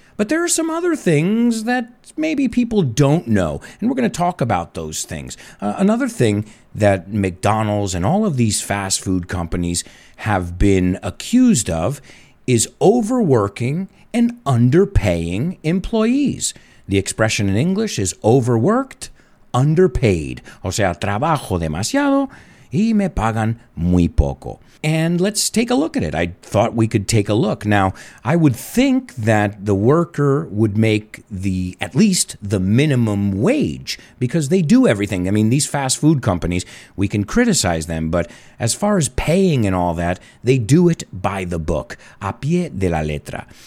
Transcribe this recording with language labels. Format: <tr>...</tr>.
<en>But there are some other things that maybe people don't know, and we're going to talk about those things. Another thing that McDonald's and all of these fast food companies have been accused of is overworking and underpaying employees. The expression in English is overworked, underpaid.</en> <es>O sea, trabajo demasiado y me pagan muy poco.</es> <en>And let's take a look at it. I thought we could take a look. Now, I would think that the worker would make at least the minimum wage because they do everything. I mean, these fast food companies, we can criticize them, but as far as paying and all that, they do it by the book,</en> <es>a pie de la letra.</es>